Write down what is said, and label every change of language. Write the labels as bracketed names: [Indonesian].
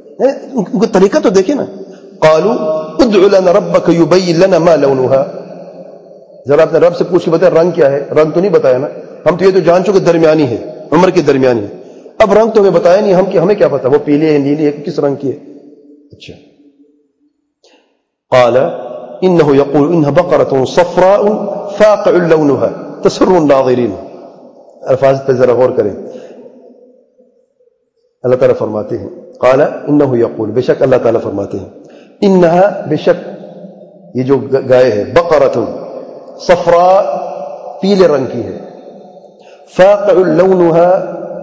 [Urdu] ان کا طریقہ تو دیکھیں نا. [Arabic] قالوا ادعُ لنا ربک یبین لنا ما لونها, [Urdu] ذرا اپنے رب سے پوچھ کے بتائے رنگ کیا ہے. رنگ تو نہیں بتایا نا, ہم تو یہ تو جان چکے درمیانی ہے, عمر کے درمیانی ہے. اب رنگ تو ہمیں بتایا نہیں, ہم کہ ہمیں کیا پتا وہ پیلے ہیں نیلے ہیں کس رنگ کی ہے. [Arabic] اچھا, قال انه يقول انها بقره صفراء فاقع لونها تسر الناظرين. [Urdu] الفاظ پہ ذرا غور کریں, اللہ تعالیٰ فرماتے ہیں [Arabic] قال انه يقول, [Urdu] بے شک اللہ تعالیٰ فرماتے ہیں, انها بے شک یہ جو گائے ہے [Arabic] بقره صفراء [Urdu] پیلے رنگ کی ہے, [Arabic] فاقع لونها